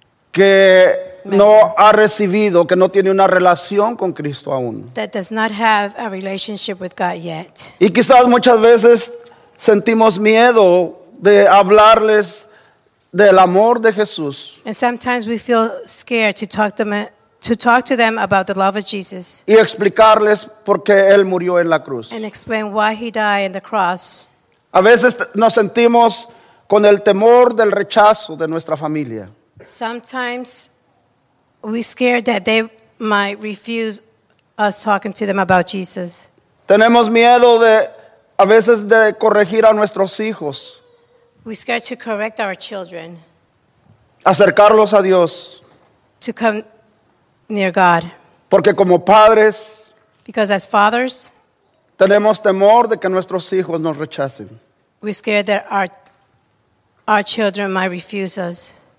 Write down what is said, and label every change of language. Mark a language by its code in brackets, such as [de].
[es] Que no ha recibido, que no tiene una relación con Cristo aún. [en] That does not have a relationship with God yet. [es] Y quizás muchas veces sentimos miedo de hablarles del amor de Jesús. [en] And sometimes we feel scared to talk to them about the love of Jesus. [es] Y explicarles por qué Él murió en la cruz. [en] And explain why He died in the cross. [es] A veces nos sentimos con el temor del rechazo de nuestra familia. [en] Sometimes we're scared that they might refuse us talking to them about Jesus. [es] Tenemos miedo a veces de corregir a nuestros hijos. [en] We're scared to correct our children. [es] Acercarlos a Dios. [en] To come near God. [es] Porque como padres. [en] Because as fathers. [es] Tenemos temor de que nuestros hijos nos rechacen. [en] We're scared that our children might refuse us.